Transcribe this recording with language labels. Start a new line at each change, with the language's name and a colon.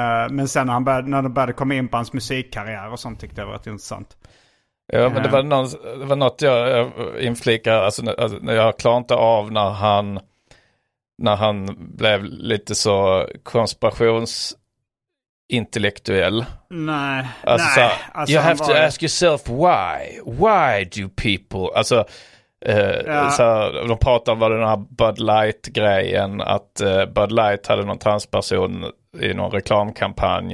Swedish: Men sen när han började komma in på hans musikkarriär och sånt tyckte jag var intressant. Ja, men det var något jag inflikade, alltså jag klarade inte av när han blev lite så konspirationsintellektuell. Nej, alltså, nej. Så, alltså,
English: you have to ask yourself why. Why do people,
Swedish: alltså, så, de pratade om vad den här Bud Light-grejen, att Bud Light hade någon transperson i någon reklamkampanj.